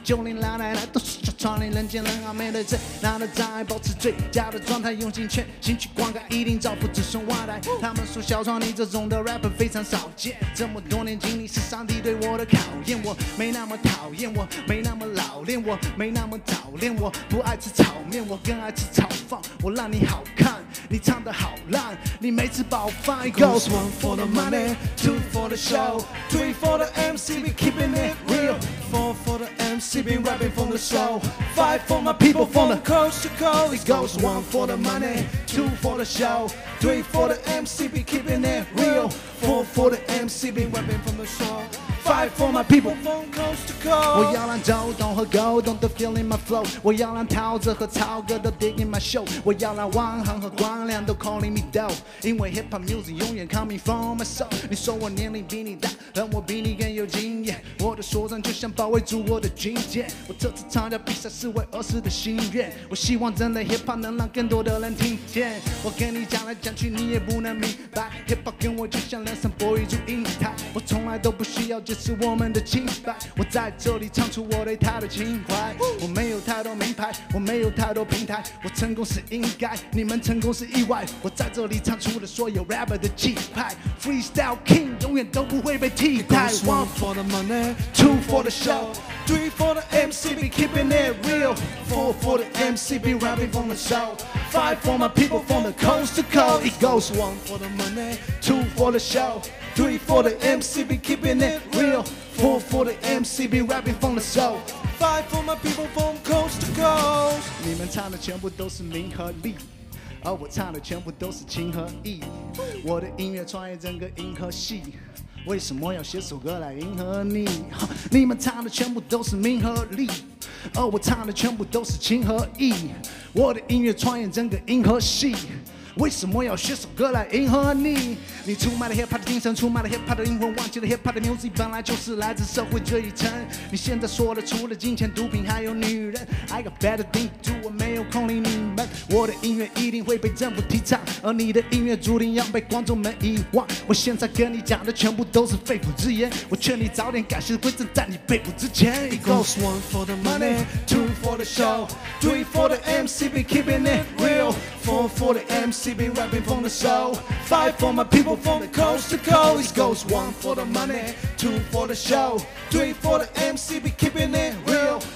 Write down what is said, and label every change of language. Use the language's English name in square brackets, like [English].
[Chinese] 就连老奶奶都是小川的人见人爱，面对最大的障碍，保持最佳的状态，用尽全心去灌溉，一定造福子孙后代。他们说小川你这种的 rapper 非常少见，这么多年经历是上帝对我的考验，我没那么讨厌。我没那么老练，我没那么早练，我不爱吃炒面，我更爱吃炒饭。我让你好看，你唱得好烂，你没吃饱饭。 [English] Goes one for the money, two for the show, three for the MC, we keeping it real. Four for the MC, been rapping from the soul. Five for my people from the coast to coast. It goes one for the money, two for the show, three for the MC, we keeping it real. Four for the MC, been rapping from the soul. Fight for my people. Coast to coast. [Chinese] 我要让周董和 Go 懂得 [English] feel in my flow. [Chinese] 我要让桃子和曹哥都 [English] dig in my show. [Chinese] 我要让汪涵和光亮都 [English] calling me dope. [Chinese] 因为 [English] hip hop music [Chinese] 永远 [English] coming from my soul. [Chinese] 你说我年龄比你大，但我比你更有经验。我的说唱就像保卫住我的军舰。我这次参加比赛是为儿时的心愿。我希望真的 hip hop 能让更多的人听见。我跟你讲来讲去你也不能明白。hip hop 跟我就像两扇玻璃珠硬台。我从来都不需要。这是我们的清白，我在这里唱出我对他的情怀。我没有太多名牌，我没有太多平台，我成功是应该，你们成功是意外。我在这里唱出了所有 rapper 的气派， [English] freestyle king [Chinese] 永远都不会被替代。 [English] It goes one for the money, two for the show, three for the MC, be keeping it real. Four for the MC, be rapping from the soul. Five for my people from the coast to coast. It goes one for the money, two for the show. Three for the MC, be keeping it real. Four for the MC, be rapping from the soul. Five for my people from coast to coast. [Chinese] 你们唱的全部都是名和利，而我唱的全部都是情和义。我的音乐穿越整个银河系，为什么要写首歌来迎合你？你们唱的全部都是名和利，而我唱的全部都是情和义。我的音乐穿越整个银河系。为什么要写首歌来迎合你？你出卖了 hip hop 的精神，出卖了 hip hop 的灵魂，忘记了 hip hop 的 music 本来就是来自社会这一层。你现在说的除了金钱、毒品，还有女人。 [English] I got better things to do， [Chinese] 我没有空理你们。我的音乐一定会被政府提倡，而你的音乐注定要被观众们遗忘。我现在跟你讲的全部都是肺腑之言，我劝你早点改邪归正，在你被捕之前。 [English] It goes one for the money, two for the show, three for the MC, be keeping it real. Four for the MC, be rapping from the soul. Five for my people from the coast to coast. It goes one for the money, two for the show, three for the MC, be keeping it real.